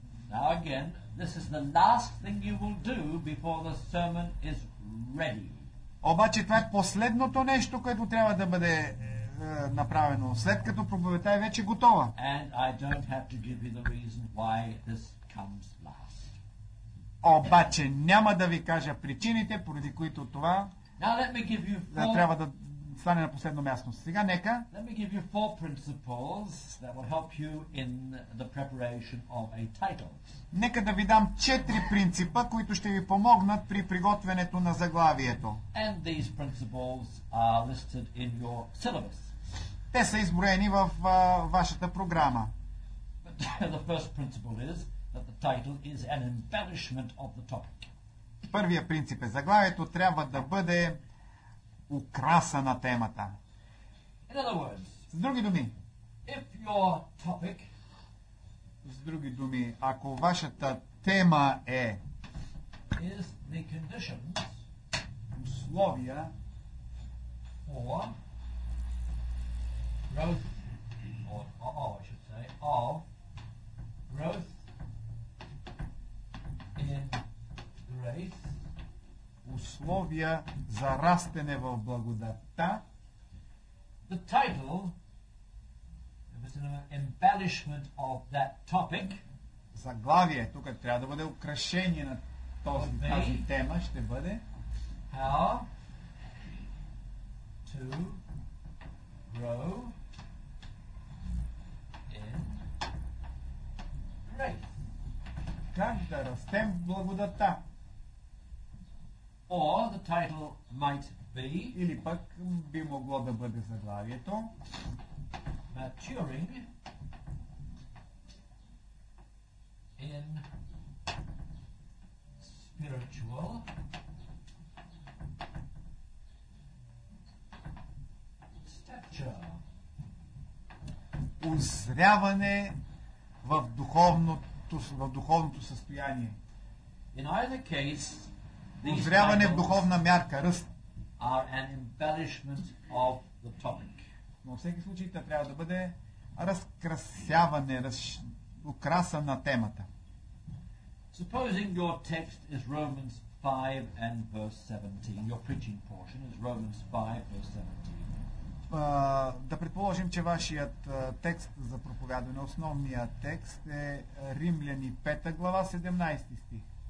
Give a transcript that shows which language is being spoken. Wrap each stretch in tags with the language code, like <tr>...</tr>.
<en>Now again, this is the last thing you will do before the sermon is ready.</en> <bg>Обаче това е последното нещо, което трябва да бъде направено. След като проповедта е вече готова.</bg> <en>And I don't have to give you the reason why this comes last.</en> <bg>Обаче няма да ви кажа причините, поради които това.</bg> <en>Now let me give you four...</en> <bg>трябва да стане на последно място. Сега нека.</bg> <en>Let me give you four principles that will help you in the preparation of a title.</en> <bg>Нека да ви дам четири принципа, които ще ви помогнат при приготвянето на заглавието.</bg> <en>And these principles are listed in your syllabus.</en> <bg>Те са изброени в вашата програма.</bg> <en>But the first principle is that the title is an embellishment of the topic.</en> <bg>Първият принцип е: заглавието трябва да бъде украса на темата.</bg> <en>In other words,</en> <bg>с други думи,</bg> <en>if your topic,</en> <bg>с други думи, ако вашата тема е</bg> <en>is the conditions, условия for growth, or I should say, of growth in grace,</en> <bg>условия за растене в благодата.</bg> <en>The title, if it's an embellishment of that topic,</en> <bg>заглавие, тук трябва да бъде украшение на тази тема, ще бъде</bg> <en>How to grow in grace.</en> <bg>Как да растем в благодата.</bg> <en>Or the title might be</en> <bg>или пък би могло да бъде заглавието</bg> <en>Maturing in spiritual stature.</en> <bg>Узряване в духовното, в духовното състояние.</bg> <en>In either case,</en> <bg>узряване в духовна мярка, ръст.</bg> <en>Are an embellishment of the topic.</en> <bg>Но във всеки случай това трябва да бъде разкрасяване, украса на темата.</bg> <en>Supposing your text is Romans 5 and verse 17. Your preaching portion is Romans 5 verse 17.</en> <bg>Да предположим, че вашият текст за проповядване, основният текст е Римляни 5 глава 17 стих.</bg>